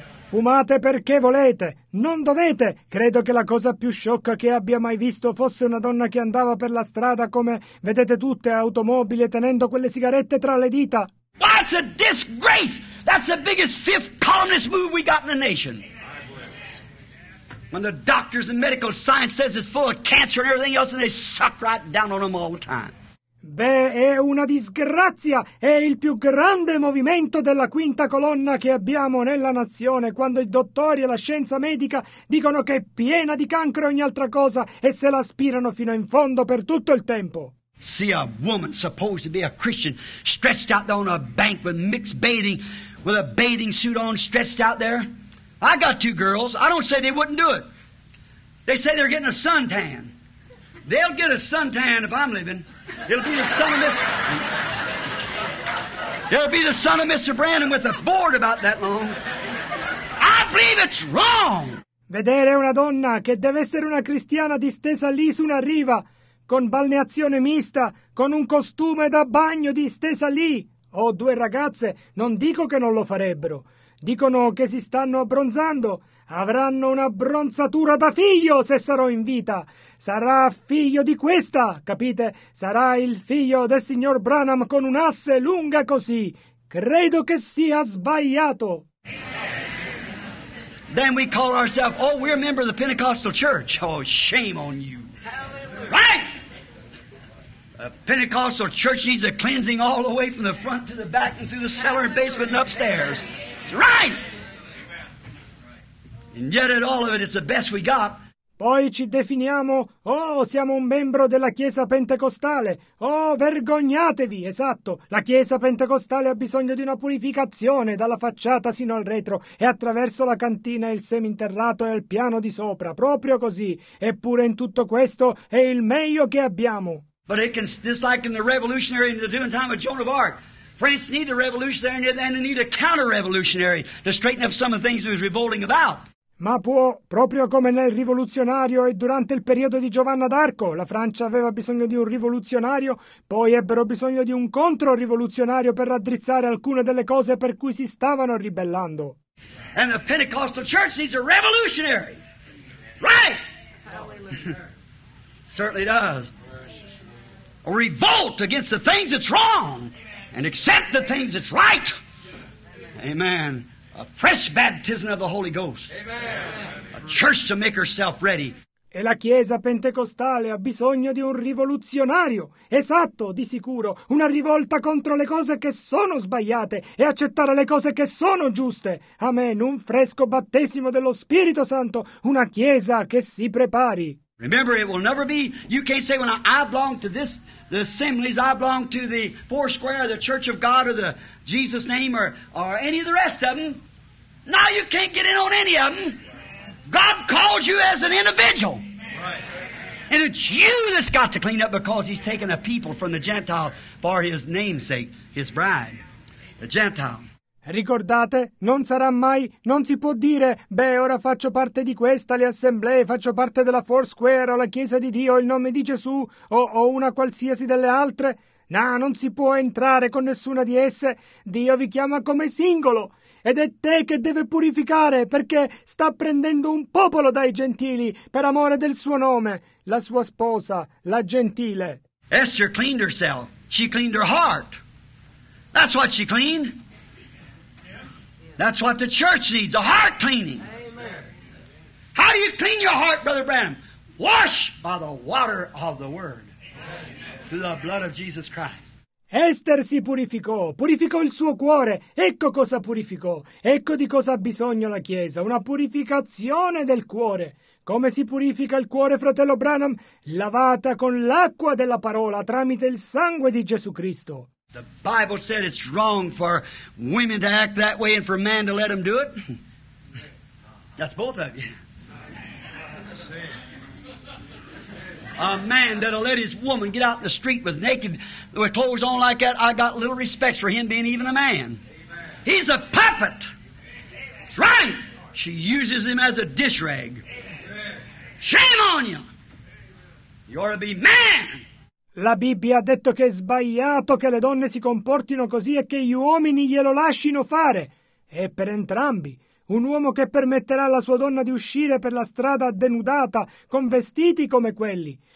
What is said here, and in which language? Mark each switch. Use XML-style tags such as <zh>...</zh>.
<it>Fumate perché volete, non dovete. Credo che la cosa più sciocca che abbia mai visto fosse una donna che andava per la strada come vedete tutte automobili tenendo quelle sigarette tra le dita.</it> <en>That's a disgrace. That's the biggest fifth columnist move we got in the nation. When the doctors and medical science says it's full of cancer and everything else, and they suck right down on them all the time.</en> <it>Beh, è una disgrazia. È il più grande movimento della quinta colonna che abbiamo nella nazione, quando i dottori e la scienza medica dicono che è piena di cancro e ogni altra cosa, e se l'aspirano fino in fondo per tutto il tempo.</it> <en>See a woman supposed to be a Christian stretched out there on a bank with mixed bathing, with a bathing suit on, stretched out there. I got two girls. I don't say they wouldn't do it. They say they're getting a suntan. They'll get a suntan if I'm living. It'll be the son of Mr. It'll be the son of Mr. Branham with a board about that long. I believe it's wrong.</en> <it>Vedere una donna che deve essere una cristiana distesa lì su una riva, con balneazione mista, con un costume da bagno distesa lì, o due ragazze, non dico che non lo farebbero. Dicono che si stanno abbronzando. Avranno una abbronzatura da figlio se sarò in vita. Sarà figlio di questa, capite? Sarà il figlio del signor Branham con un'asse lunga così. Credo che sia sbagliato.</it> <en>Then we call ourselves, oh, we're a member of the Pentecostal Church. Oh, shame on you. Right? A Pentecostal church needs a cleansing all the way from the front to the back and through the cellar and basement and upstairs. Right! And yet at all of it, it's the best we got.</en> <it>Poi ci definiamo, oh, siamo un membro della Chiesa Pentecostale. Oh, vergognatevi, esatto. La Chiesa Pentecostale ha bisogno di una purificazione dalla facciata sino al retro e attraverso la cantina e il seminterrato e il piano di sopra, proprio così. Eppure in tutto questo è il meglio che abbiamo.</it> <en>But it can, just like in the revolutionary in the doing time of Joan of Arc, France need a revolutionary and they need a counter-revolutionary to straighten up some of the things it was revolting about.</en> <it>Ma può, proprio come nel rivoluzionario e durante il periodo di Giovanna d'Arco, la Francia aveva bisogno di un rivoluzionario, poi ebbero bisogno di un controrivoluzionario per raddrizzare alcune delle cose per cui si stavano ribellando.</it> <en>And the Pentecostal Church needs a revolutionary. Right? Certainly does. A revolt against the things that's wrong and accept the things that's right. Amen. A fresh baptism of the Holy Ghost. Amen. A church to make herself ready.</en> <it>E la Chiesa Pentecostale ha bisogno di un rivoluzionario. Esatto, di sicuro. Una rivolta contro le cose che sono sbagliate e accettare le cose che sono giuste. Amen. Un fresco battesimo dello Spirito Santo. Una Chiesa che si prepari.</it> <en>Remember, it will never be, you can't say, when I belong to this, the assemblies, I belong to the four square, the Church of God, or the Jesus name, or any of the rest of them. Now you can't get in on any of them. God calls you as an individual. Right. And it's you that's got to clean up because he's taken a people from the Gentile for his namesake, his bride, the Gentile.</en> <it>Ricordate, non sarà mai, non si può dire, beh, ora faccio parte di questa, le assemblee, faccio parte della Four Square, o la Chiesa di Dio, il nome di Gesù, o una qualsiasi delle altre. No, non si può entrare con nessuna di esse. Dio vi chiama come singolo, ed è te che deve purificare, perché sta prendendo un popolo dai gentili, per amore del suo nome, la sua sposa, la gentile.</it> <en>Esther cleaned herself, she cleaned her heart. That's what she cleaned. That's what the church needs, a heart cleaning. Amen. How do you clean your heart, Brother Branham? Wash by the water of the Word. Amen. Through the blood of Jesus Christ.</en> <it>Esther si purificò, purificò il suo cuore. Ecco cosa purificò. Ecco di cosa ha bisogno la Chiesa, una purificazione del cuore. Come si purifica il cuore, fratello Branham? Lavata con l'acqua della parola tramite il sangue di Gesù Cristo.</it> <en>The Bible said it's wrong for women to act that way and for man to let them do it. That's both of you. A man that'll let his woman get out in the street with naked, with clothes on like that, I got little respects for him being even a man. He's a puppet. That's right. She uses him as a dish rag. Shame on you. You ought to be man.</en> <it>La Bibbia ha detto che è sbagliato che le donne si comportino così e che gli uomini glielo lascino fare. E per entrambi. Un uomo che permetterà alla sua donna di uscire per la strada denudata, con vestiti come quelli.</it>